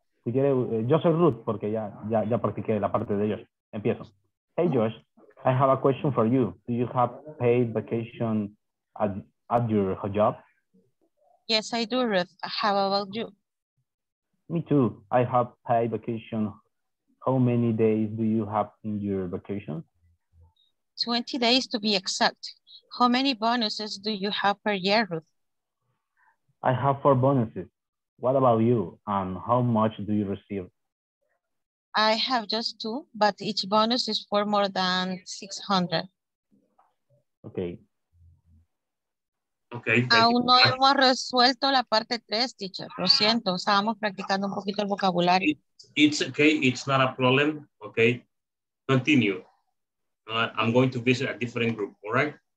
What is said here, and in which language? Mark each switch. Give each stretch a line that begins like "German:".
Spanish: Si quiere, yo soy Ruth porque ya practiqué la parte de ellos. Empiezo.
English: Hey, Josh, I have a question for you. Do you have paid vacation at your job? Yes, I do, Ruth. How about you? Me too. I have paid vacation. How many days do you have in your vacation? 20 days to be exact. How many bonuses do you have per year, Ruth? I have 4 bonuses. What about you? And how much do you receive? I have just 2, but each bonus is for more than 600. Okay. Okay.
Spanish: Aún no hemos resuelto la parte 3, teacher. Lo siento, estábamos practicando un poquito el vocabulario.
English: It's okay, it's not a problem, okay? Continue. I'm going to visit a different group, all right?